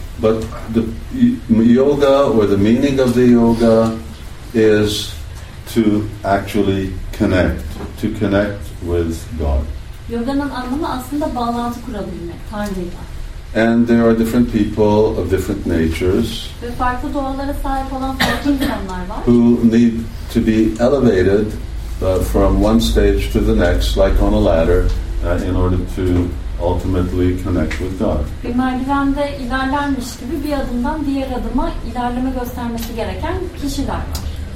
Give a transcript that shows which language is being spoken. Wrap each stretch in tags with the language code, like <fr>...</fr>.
<en>But the yoga or the meaning of the yoga is to actually connect, to connect with God.</en> <tr>Yoga'nın anlamı aslında bağlantı kurabilmek, Tanrı'yla.</tr> <en>And there are different people of different natures</en> <tr>ve farklı doğalara sahip olan farklı insanlar var</tr> <en>who need to be elevated from one stage to the next, like on a ladder, in order to ultimately connect with God.</en> <tr>Bir merdivende ilerlermiş gibi bir adımdan diğer adıma ilerleme göstermesi gereken kişiler var.</tr>